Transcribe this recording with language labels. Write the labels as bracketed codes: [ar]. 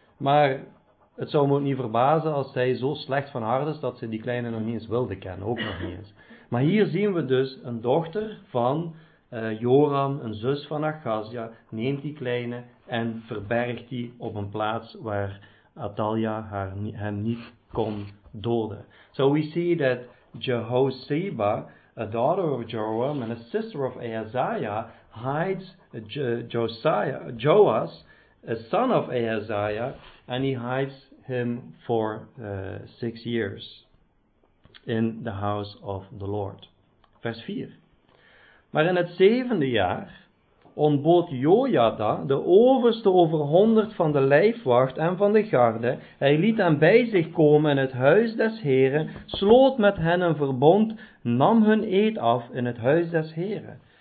[nl] Maar het zou me ook niet verbazen als zij zo slecht van hart is dat ze die kleine nog niet eens wilde kennen, ook nog niet eens. Maar hier zien we dus een dochter van Joram, een zus van Achazia, neemt die kleine en verbergt die op een plaats waar Athalia hem niet kon doden. [en] So we see that Jehosheba, a daughter of Joram and a sister of Ahaziah, hides Joas, a son of Ahaziah, and he hides him for 6 years in the house of the Lord. [nl] Vers 4. Maar in het zevende jaar ontbood Jojada, de overste over 100 van de lijfwacht en van de garde. Hij liet hen bij zich komen in het huis des Heren, sloot met hen een verbond, nam hun eed af in het huis des Heren.